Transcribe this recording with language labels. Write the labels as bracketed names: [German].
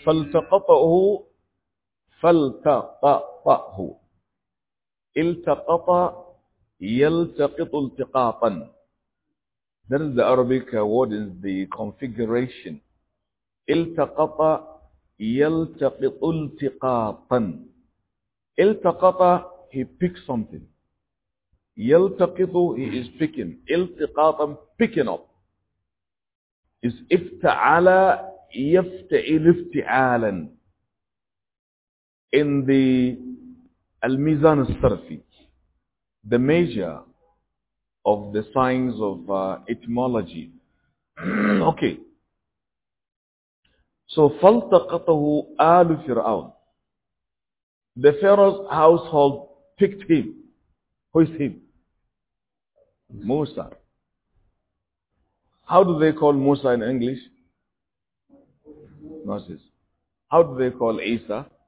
[Arabic] فالتقطه فالتقطه التقط يلتقط التقاطا. [English] That is the Arabic word, is the configuration. [Arabic] التقط يلتقط التقاطا. التقط, [English] he picks something. [Arabic] يلتقط, [English] he is picking. [Arabic] التقاطا, [English] picking up. Is [Arabic] افتعل يفتعل افتعالا. [English] In the [Arabic] الميزان الصرفي, [English] the measure of the signs of etymology. Okay. So [Arabic] فَالْتَقَطَهُ آلُ فِرْعَوْنَ. [English] The Pharaoh's household picked him. Who is him? Musa. How do they call Musa in English? Moses. How do they call Isa?